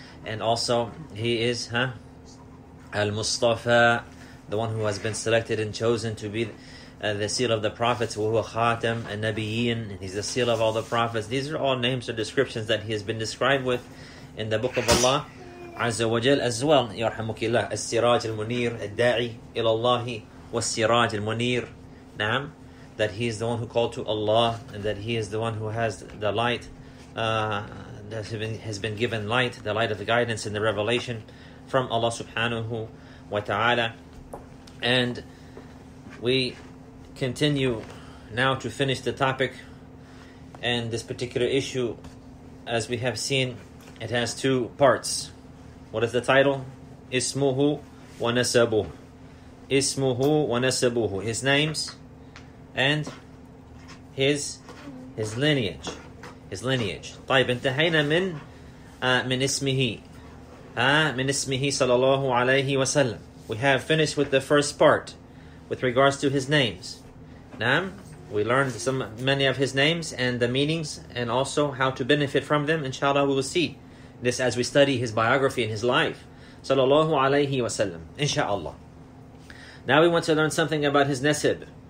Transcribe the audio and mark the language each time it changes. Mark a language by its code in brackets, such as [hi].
[en] And also, he is المصطفى, the one who has been selected and chosen to be the seal of the prophets, [ar] وهو خاتم النبيين, [en] and he's the seal of all the prophets. These are all names or descriptions that he has been described with in the book of Allah عز وجل as well. [ar] يرحمك الله السراج المنير الداعي إلى الله والسراج المنير. [en] نعم, that he is the one who called to Allah, and that he is the one who has the light, that has been given light, the light of the guidance and the revelation from Allah subhanahu wa ta'ala. And we continue now to finish the topic and this particular issue. As we have seen, it has two parts. What is the title? [ar] Ismuhu wa nasabuhu. Ismuhu wa nasabuhu. [en] His names and his lineage. His lineage. [ar] طيب, انتهينا من اسمه. من اسمه صلى الله عليه وسلم. [en] We have finished with the first part with regards to his names. Naam, we learned many of his names and the meanings and also how to benefit from them. Inshallah, we will see this as we study his biography and his life. Sallallahu alayhi wa sallam. Inshallah. Now we want to learn something about his nasib.